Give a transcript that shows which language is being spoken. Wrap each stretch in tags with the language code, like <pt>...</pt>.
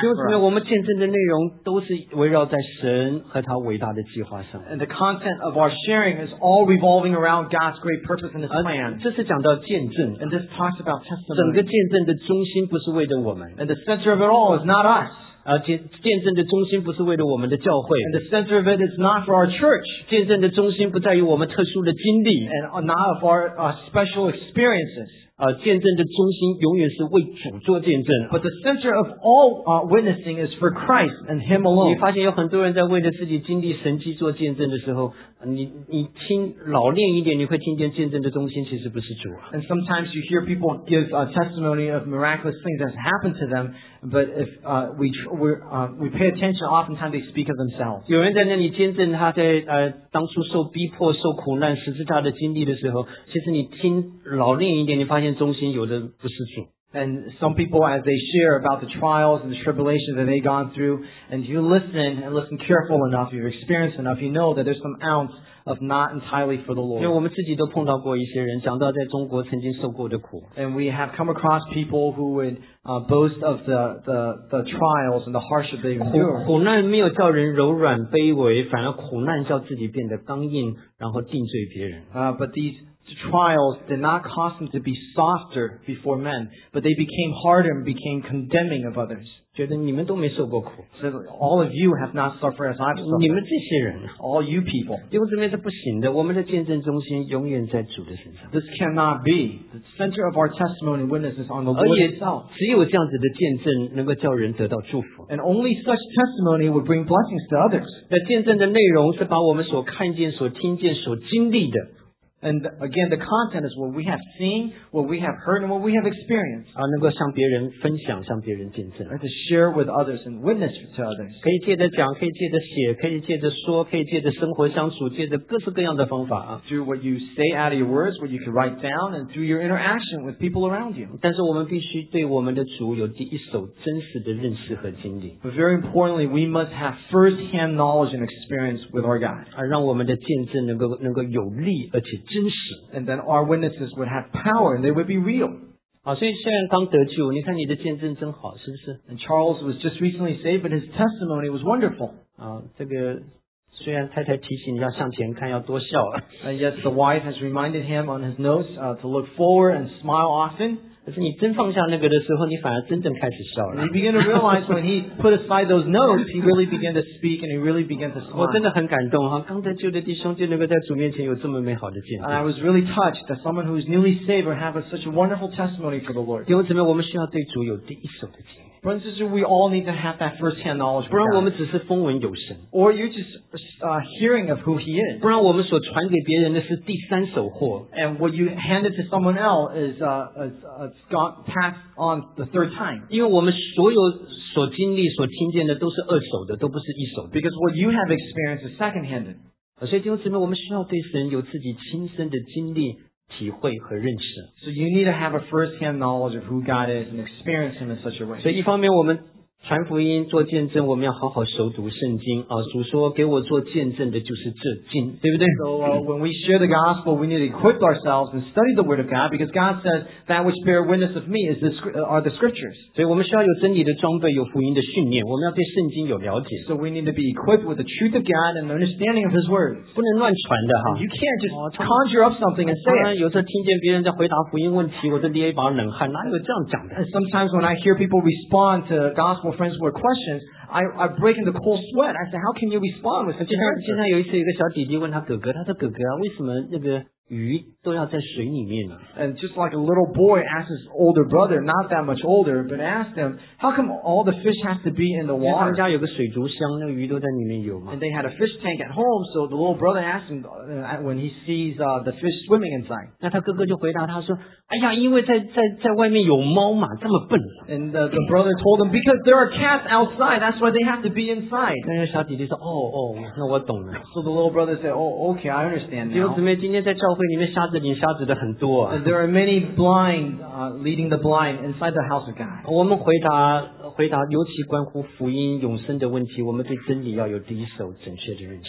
<zh>弟兄姊妹，我们见证的内容都是围绕在神和他伟大的计划上</zh> <en>and the content of our sharing is all revolving around God's great purpose and his plan.</en> <zh>这是讲到见证</zh> <en>and this talks about testimony.</en> <zh>整个见证的中心不是为了我们</zh> <en>and the center of it all is not us.</en> <zh>见证的中心不是为了我们的教会</zh> <en>and the center of it is not for our church</en> <zh>见证的中心不在于我们特殊的经历</zh> <en>and not of our special experiences</en> <zh>见证的中心永远是为主做见证。</zh> <en>But the center of all witnessing is for Christ and Him alone.</en> <zh>你发现有很多人在为着自己经历神迹做见证的时候，你听老练一点，你会听见见证的中心其实不是主啊。</zh> <en>And sometimes you hear people give a testimony of miraculous things that happened to them, but if we pay attention, oftentimes they speak of themselves.</en> <zh>有人在那里见证他在当初受逼迫、受苦难、十字架的经历的时候，其实你听老练一点，你发现中心有的不是主。</zh> <en>And some people, as they share about the trials and the tribulations that they've gone through, and you listen and listen careful enough, you've experienced enough, you know that there's some ounce of not entirely for the Lord.</en> <zh>因为我们自己都碰到过一些人，讲到在中国曾经受过的苦。</zh> <en>And we have come across people who would boast of the trials and the hardship they endured.</en> <zh>苦难没有叫人柔软卑微，反而苦难叫自己变得刚硬，然后定罪别人。</zh> <en>But these trials did not cause them to be softer before men, but they became harder and became condemning of others.</en> <zh>觉得你们都没受过苦。</zh> <en>So all of you have not suffered as I've suffered.</en> <zh>你们这些人。</zh> <en>All you people.</en> <zh>因为这边是不行的，我们的见证中心永远在主的身上。</zh> <en>This cannot be. The center of our testimony and witness is on the Lord itself.</en> <zh>只有这样子的见证能够叫人得到祝福。</zh> <en>And only such testimony would bring blessings to others.</en> <zh>那见证的内容是把我们所看见、所听见、所经历的。</zh> <en>And again, the content is what we have seen, what we have heard, and what we have experienced.</en> <zh>能够向别人分享，向别人见证。</zh> <en>And to share with others and witness to others.</en> <zh>可以借着讲，可以借着写，可以借着说，可以借着生活相处，借着各式各样的方法。</zh> <en>Through what you say out of your words, what you can write down, and through your interaction with people around you.</en> <zh>但是我们必须对我们的主有第一手真实的认识和经历。</zh> <en>But very importantly, we must have first-hand knowledge and experience with our God.</en> <zh>让我们的见证能够有力而且真实。</zh> <en>And then our witnesses would have power and they would be real.</en> <zh>好，所以虽然刚得救，你看你的见证真好，是不是？</zh> <en>And Charles was just recently saved, but his testimony was wonderful.</en> <zh>这个虽然太太提醒你要向前看，要多笑。</zh> <en>And yet the wife has reminded him on his notes to look forward and smile often.</en> <zh>但是你真放下那个的时候，你反而真正开始笑了。</zh> <en>And he began to realize when he put aside those notes, he really began to speak and he really began to smile.</en> <zh>我真的很感动哈，刚得救的弟兄就能够在主面前有这么美好的见证。</zh> <en>And I was really touched that someone who is newly saved would have such a wonderful testimony for the Lord.</en> <zh>因为怎么样，我们需要对主有第一手的经历。</zh> <en>Brothers and sisters, we all need to have that first-hand knowledge.</en> <zh>不然我们只是风闻有声。</zh> <en>Or you're just hearing of who he is.</en> <zh>不然我们所传给别人的是第三手货。</zh> <en>And what you handed to someone else is got passed on the third time.</en> <zh>因为我们所有所经历、所听见的都是二手的，都不是一手的。</zh> <en>Because what you have experienced is second-handed.</en> <zh>所以弟兄姊妹，我们需要对神有自己亲身的经历。体会和认识。</zh> <en>So you need to have a first-hand knowledge of who God is and experience Him in such a way.</en> <zh>所以一方面我们传福音做见证，我们要好好熟读圣经啊。主说给我做见证的就是这经，对不对</zh> <en>？So when we share the gospel, we need to equip ourselves and study the word of God because God says that which bear witness of me is the are the scriptures.</en> <zh>所以我们需要有真理的装备，有福音的训练，我们要对圣经有了解。</zh> <en>So we need to be equipped with the truth of God and the understanding of His word.</en> <zh>不能乱传的哈。</zh> <en>You can't just conjure up something and say.</en> <zh>有时候听见别人在回答福音问题，我都捏一把冷汗，哪有这样讲的</zh> <en>？Sometimes when I hear people respond to gospel. Friends were questions. I break into cold sweat. I said, "How can you respond with such a answer?"</en> <zh>就像有一次，一个小弟弟问他哥哥，他说：“哥哥啊，为什么那个鱼都要在水里面呢？”</zh> <en>And just like a little boy asked his older brother, not that much older, but asked him, "How come all the fish has to be in the water?"</en> <zh>因为他们家有个水族箱，那个鱼都在里面游嘛。</zh> <en>And they had a fish tank at home, so the little brother asked him when he sees the fish swimming inside.</en> <zh>那他哥哥就回答他说。哎呀，因为在外面有猫嘛，这么笨。</zh> <en>And the brother told him because there are cats outside, that's why they have to be inside.</en> <zh>那个小弟弟说，哦，那我懂了。</zh> <en>So the little brother said, oh, okay, I understand now.</en> <zh>弟兄姊妹，今天在教会里面瞎子领瞎子的很多。</zh> <en>And there are many blind leading the blind inside the house of God.</en> <zh>我们回答，尤其关乎福音永生的问题，我们对真理要有第一手准确的认识。</zh>